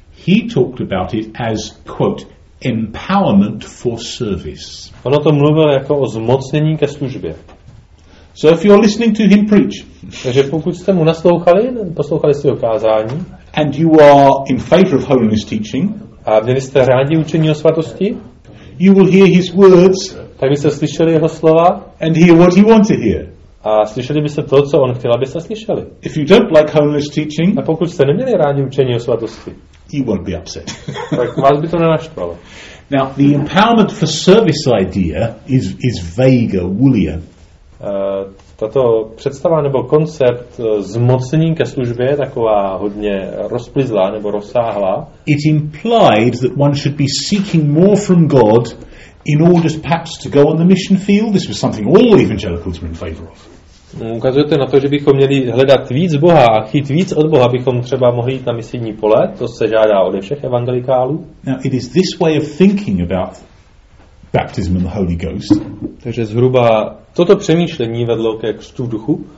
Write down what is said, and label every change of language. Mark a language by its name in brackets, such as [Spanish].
[English] He talked about it as, quote, empowerment for service. [Czech] On o tom mluvil jako o zmocnění ke službě. [English] So if you're listening to him preach, [Czech] takže pokud jste mu naslouchali, poslouchali jste jeho kázání, [English] and you are in favor of holiness teaching, [Czech] a měli jste rádi učení o svatosti, [English] you will hear his words, [Czech] tak byste slyšeli jeho slova, [English] and hear what he wants to hear. [Czech] A slyšeli byste to, co on chtěl, abyste slyšeli. [English] If you don't like holiness teaching, [Czech] a pokud jste neměli rádi učení o svatosti, [English] you won't be upset. [Czech] Tak vás by to nenaštvalo. [English] Now, the empowerment for service idea is vaguer, woolier. [Czech] Tato představa nebo koncept zmocnění ke službě je taková hodně rozplyzlá nebo rozsáhlá. [English] It implied that one should be seeking more from God in order perhaps to go on the mission field. This was something all evangelicals were in favor of. [Czech] Ukazujete na to, že bychom měli hledat víc Boha a chtít víc od Boha, abychom třeba mohli jít na misijní pole. To se žádá ode všech evangelikálů. [English] Now it is this way of thinking about baptism in the Holy Ghost. [Czech] Takže zhruba toto přemýšlení vedlo ke křtu v duchu,